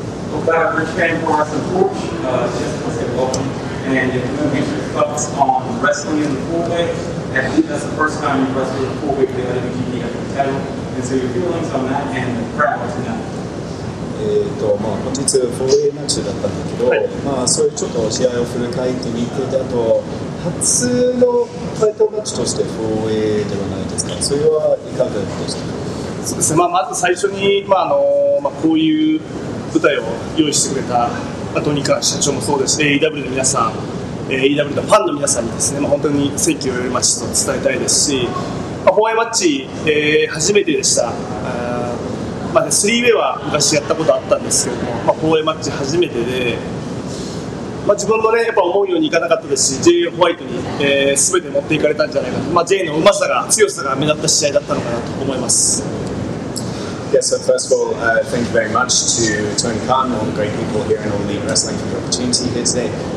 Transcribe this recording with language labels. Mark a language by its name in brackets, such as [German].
[English] Well, back to Rich Fan for the porch. Just want to say welcome. And if you want to get your thoughts on wrestling in the four-way, I think that's the first time you've wrestled in the four-way with the IWGP title. And so your feelings on that and the crowd tonight. [Japanese] まあ、本日フォーウェイマッチだったんだけど、はい、まあ、そういうちょっと試合を振り返ってみて、あと初のタイトルマッチとしてフォーウェイではないですか、それはいかがでしたか。そうですね、まあ、まず最初に、まああのまあ、こういう舞台を用意してくれた、まあ、トニカ社長もそうですし、 AEW の皆さん、 AEW のファンの皆さんにですね、まあ、本当にセンキューマッチと伝えたいですし、まあ、フォーウェイマッチ、初めてでした。まあね、3ウェイは昔やったことあったんですけども、まあ、4ウェイマッチ初めてで、まあ、自分も、ね、やっぱ思うようにいかなかったですし、 J ホワイトに、全て持っていかれたんじゃないかと、まあ、J のうまさが強さが目立った試合だったのかなと思います。 [English] Yeah, so first of all, thank you very much to Tony Khan, all the great people here and all the wrestling for the opportunity here today.